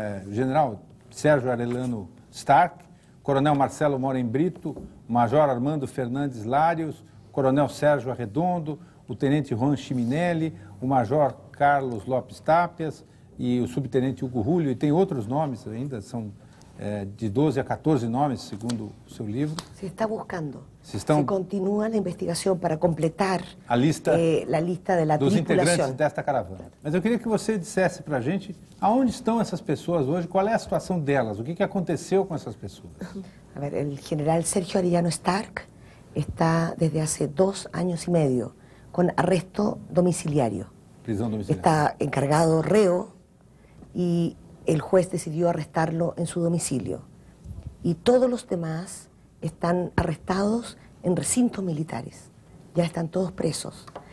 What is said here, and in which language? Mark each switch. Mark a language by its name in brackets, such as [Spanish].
[Portuguese] general Sérgio Arellano Stark, coronel Marcelo Moren Brito, major Armando Fernandes Larios, coronel Sérgio Arredondo, o tenente Juan Chiminelli, o major Carlos Lopes Tapias e o subtenente Hugo Julio, e tem outros nomes ainda, são de 12 a 14 nomes, segundo o seu livro. [Spanish] Se está buscando. Se continúa la investigación para completar [Portuguese] a lista, [Spanish] la lista de la [Portuguese] dos integrantes desta caravana. Mas eu queria que você dissesse para a gente aonde estão essas pessoas hoje, qual é a situação delas, o que aconteceu com essas pessoas. [Spanish] A ver, el general Sergio Arellano Stark está desde hace 2 años y medio con arresto domiciliario. [Portuguese] Prisão domiciliar. [Spanish] Está encargado reo y el juez decidió arrestarlo en su domicilio. Y todos los demás están arrestados en recintos militares, ya están todos presos.